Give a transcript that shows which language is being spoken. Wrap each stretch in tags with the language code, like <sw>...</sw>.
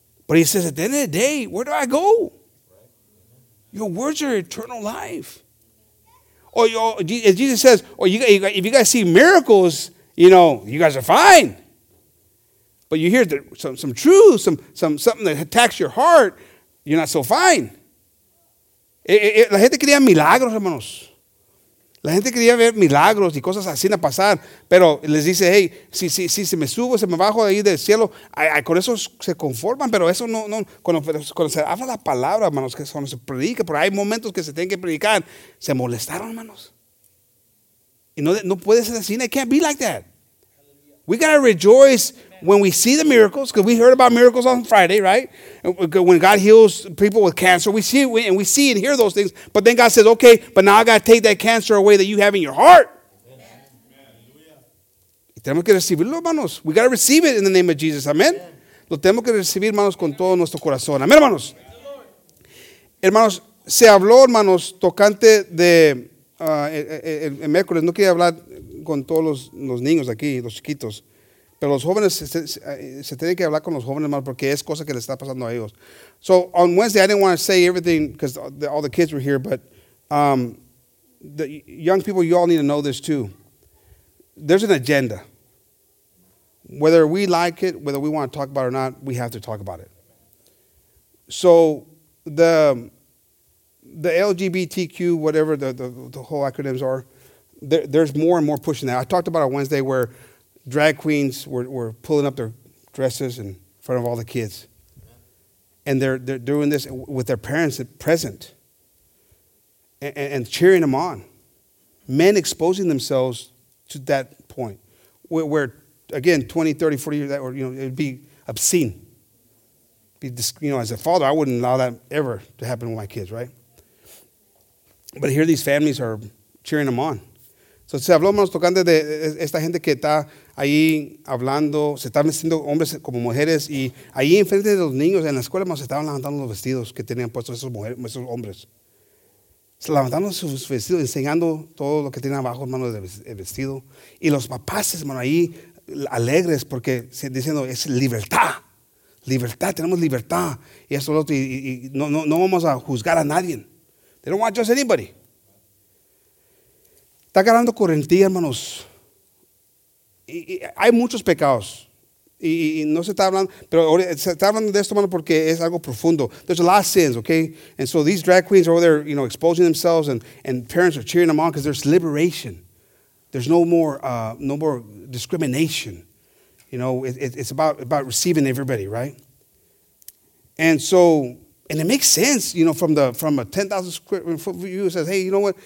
<en>But he says, at the end of the day, where do I go? Your words are eternal life. Or Jesus says, if you guys see miracles, you know, you guys are fine. But you hear some truth, some something that attacks your heart, you're not so fine.</en> <es>La gente quería milagros, hermanos. La gente quería ver milagros y cosas así a pasar. Pero les dice, hey, si se me subo, se me bajo de ahí del cielo, con eso se conforman. Pero eso no, cuando se habla la palabra, hermanos, que cuando se predica, porque hay momentos que se tienen que predicar, se molestaron, hermanos. Y no puede ser así.</es> <en>It can't be like that. We got to rejoice when we see the miracles, because we heard about miracles on Friday, right? When God heals people with cancer, we see and hear those things. But then God says, okay, but now I got to take that cancer away that you have in your heart. Amen.</en> <es>Tenemos que recibirlo, hermanos.</es> <en>We got to receive it in the name of Jesus. Amen.</en> <es>Lo tenemos que recibir, hermanos, con todo nuestro corazón. Amen, hermanos. Hermanos, se habló, hermanos, tocante de el miércoles. No quería hablar con todos los niños aquí, los chiquitos. Pero los jóvenes, se tienen que hablar con los jóvenes, hermanos, porque es cosa que les está pasando a ellos.</es> <en>So, on Wednesday, I didn't want to say everything because all the kids were here, but the young people, you all need to know this too. There's an agenda. Whether we like it, whether we want to talk about it or not, we have to talk about it. So, the LGBTQ, whatever the whole acronyms are, there's more and more pushing that. I talked about it on Wednesday where drag queens were pulling up their dresses in front of all the kids. And they're doing this with their parents present and cheering them on. Men exposing themselves to that point where again, 20, 30, 40 years, that were, you know, it'd be obscene. As a father, I wouldn't allow that ever to happen with my kids, right? But here these families are cheering them on.</en> <es>So se habló más tocante de esta gente que está ahí hablando, se están vestiendo hombres como mujeres, y ahí enfrente de los niños en la escuela se estaban levantando los vestidos que tenían puestos esos mujeres, esos hombres. Se levantando sus vestidos, enseñando todo lo que tienen abajo, hermano, del vestido. Y los papás, hermano, ahí alegres porque diciendo, es libertad. Libertad, tenemos libertad. Y eso es lo otro, y no vamos a juzgar a nadie.</es> <en>They don't want to judge anybody.</en> <es>Está agarrando correntía, hermanos. Y hay muchos pecados. Y no se está hablando, pero se está hablando de esto, hermano, porque es algo profundo.</es> <en>There's a lot of sins, okay? And so these drag queens are over there, you know, exposing themselves, and parents are cheering them on because there's liberation. There's no more discrimination. You know, it's about receiving everybody, right? And so, and it makes sense, you know, from a 10,000 square foot view, it says, hey, you know what?</en>